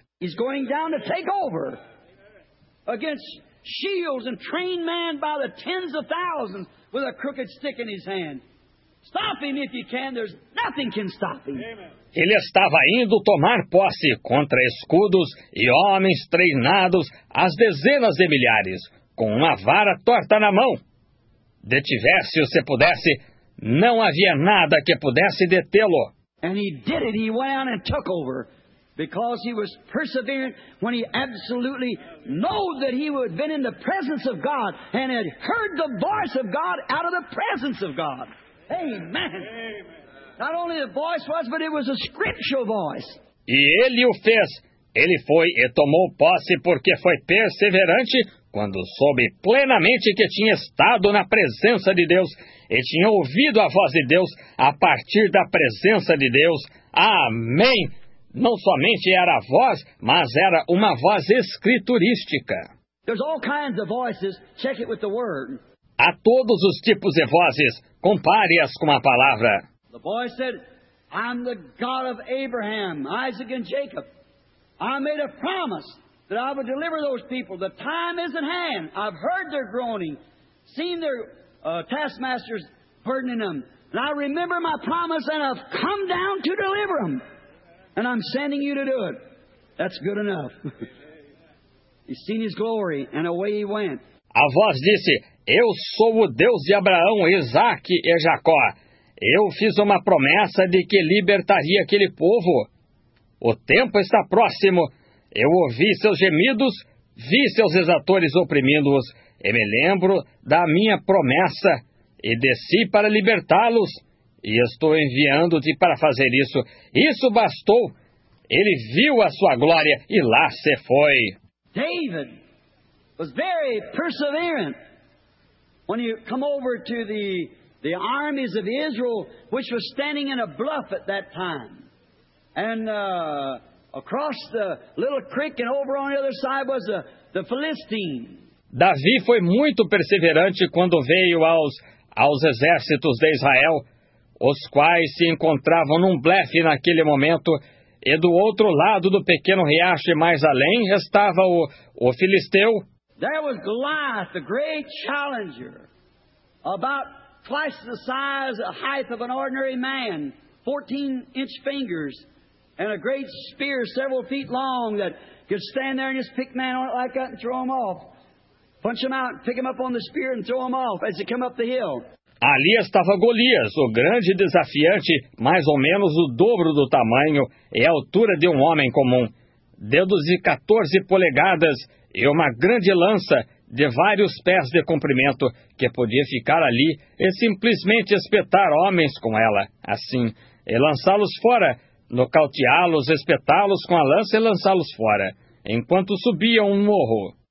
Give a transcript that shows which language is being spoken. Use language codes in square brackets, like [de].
[en] He's going down to take over against shields and trained men by the tens of thousands with a crooked stick in his hand. Stop him if you can. There's nothing can stop him. [pt] Ele estava indo tomar posse contra escudos e homens treinados às dezenas de milhares, com uma vara torta na mão. Detivesse-o se pudesse, não havia nada que pudesse detê-lo. [en] And he did it. He went out and took over. Because he was persevering when he absolutely knew that he had been in the presence of God and had heard the voice of God out of the presence of God. Amen. Not only the voice was, but it was a scriptural voice. [pt] E ele o fez. Ele foi e tomou posse porque foi perseverante quando soube plenamente que tinha estado na presença de Deus e tinha ouvido a voz de Deus a partir da presença de Deus. Amém. Não somente era a voz, mas era uma voz escriturística. [en] There's all kinds of voices. Check it with the word. [pt] Há todos os tipos de vozes. Compare-as com a palavra. [en] The voice said, I'm the God of Abraham, Isaac and Jacob. I made a promise that I would deliver those people. The time is at hand. I've heard their groaning, seen their taskmasters burdening them. And I remember my promise and I've come down to deliver them. And I'm sending you to do it. That's good enough. He's seen his glory and away he went. [pt] A voz disse, eu sou o Deus de Abraão, Isaac e Jacó. Eu fiz uma promessa de que libertaria aquele povo. O tempo está próximo. Eu ouvi seus gemidos, vi seus exatores oprimindo-os. e me lembro da minha promessa, e desci para libertá-los, e estou enviando-te para fazer isso. Isso bastou. Ele viu a sua glória, e lá se foi. [en] David was very perseverant. When you come over to the armies of Israel, which was standing in a bluff at that time, and across the little creek and over on the other side was the Philistine. [pt] Davi foi muito perseverante quando veio aos exércitos de Israel, os quais se encontravam num blefe naquele momento, e do outro lado do pequeno riacho e mais além estava o Filisteu. [en] There was Goliath, the great challenger, about twice the size, the height of an ordinary man, 14-inch fingers, and a great spear several feet long that could stand there and just pick man on it like that and throw him off. Punch him out, pick him up on the spear and throw him off as he come up the hill. [pt] Ali estava Golias, o grande desafiante, mais ou menos o dobro do tamanho e a altura de um homem comum. Dedos de 14 polegadas e uma grande lança de vários pés de comprimento que podia ficar ali e simplesmente espetar homens com ela, assim, e lançá-los fora, nocauteá-los, espetá-los com a lança e lançá-los fora, enquanto subia um morro.